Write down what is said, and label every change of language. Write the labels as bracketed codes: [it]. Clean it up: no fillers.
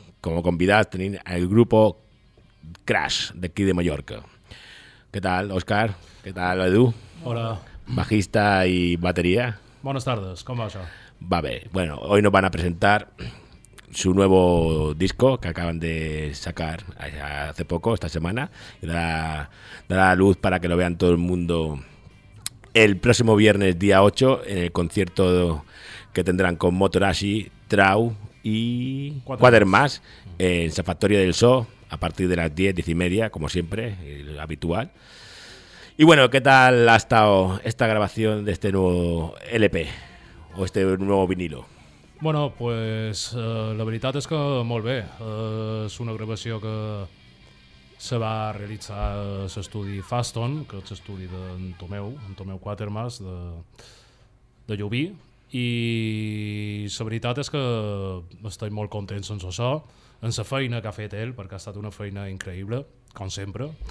[ca] Com a convidats tenim el grupo Crash d'aquí de Mallorca. Què tal, Òscar? Què tal, Edu? Hola. Bajista i bateria. Bones tardes, com va això? Va bé. [es] Bueno, hoy nos van a presentar su nuevo disco que acaban de sacar hace poco, esta semana. Dará luz para que lo vean todo el mundo el próximo viernes, día 8, en el concierto que tendrán con Motorashi, Trau y Quatermass en la Factoría del Zoo, a partir de las 10:30, como siempre, el habitual. Y bueno, ¿qué tal ha estado esta grabación de este nuevo LP o este nuevo vinilo? [ca] Bueno, pues la veritat és que molt bé. És una gravació que se va realitzar l'estudi Faston, que és l'estudi d'en Tomeu, Quatermass, de Llubí. I la veritat és que estic molt content amb això, amb la feina que ha fet ell, perquè ha estat una feina increïble, com sempre.